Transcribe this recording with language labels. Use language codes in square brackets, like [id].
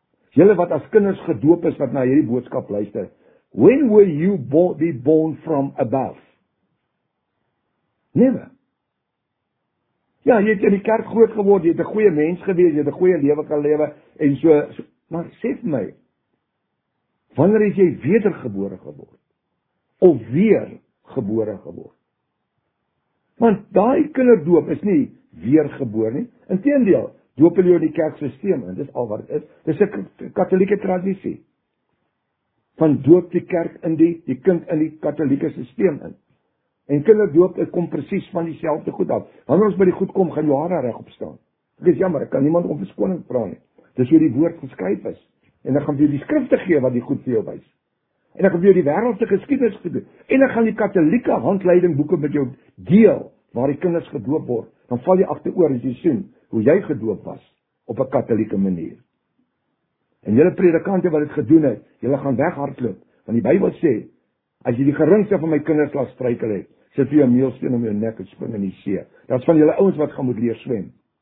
[af] Julle wat as kinders gedoop is, wat na hierdie boodskap luister, [en] when were you be born from above? Never. [af] Ja, jy het in die kerk groot geword, jy het 'n goeie mens gewees, jy het 'n goeie lewe kan lewe, en so, so maar sê vir my, wanneer is jy wedergebore geword? Of weer gebore geword? Want daai kinderdoop is nie weergebore nie. Inteendeel, doop hulle jou in die kerksisteem in. Dis al wat het is. Dis 'n katolieke tradisie. Van doop die kerk in die kind in die katolieke sisteem in. En kinderdoop kom presies van dieselfde goed af. Wanneer ons by die goed kom, gaan jou hare reg opstaan. Dit is jammer, ek kan niemand om verskoning vra nie. Dis hoe die woord geskryf is. En ek gaan vir jou die skrifte gee wat die goed vir jou wys. En ek gaan vir jou die wêreldse geskiedenis gee. En ek gaan die katolieke handleiding boeke met jou deel waar die kinders gedoop word. Dan val jy agteroor as jy sien hoe jy gedoop was op 'n katolieke manier. En julle predikante wat dit gedoen het, julle gaan weghardloop, want die Bybel sê as jy die geringste van my kinders laat struikel het, sit vir jou 'n meelsteen om jou nek en spring in die see. Dit is van julle ouens wat gaan moet leer swem.